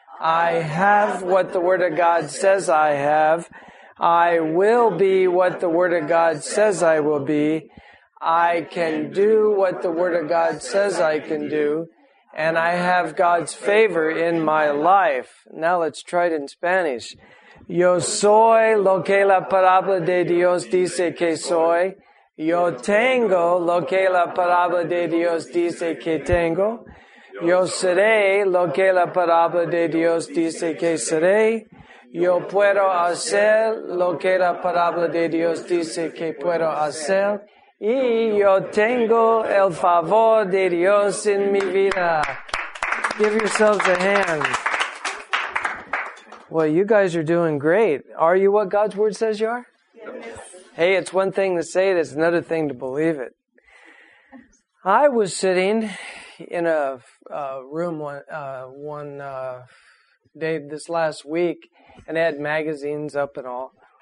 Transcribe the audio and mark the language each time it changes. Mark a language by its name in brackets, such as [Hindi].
[English] I have what the Word of God says I have. I will be what the Word of God says I will be. I can do what the Word of God says I can do. And I have God's favor in my life. Now let's try it in Spanish. [Spanish] Yo soy lo que la palabra de Dios dice que soy. Yo tengo lo que la palabra de Dios dice que tengo. Yo seré lo que la palabra de Dios dice que seré. Yo puedo hacer lo que la palabra de Dios dice que puedo hacer. Y yo tengo el favor de Dios en mi vida. [English] Give yourselves a hand. Well, you guys are doing great. Are you what God's Word says you are? Yes. Hey, it's one thing to say it. It's another thing to believe it. I was sitting in a room one day this last week, and they had magazines up and all.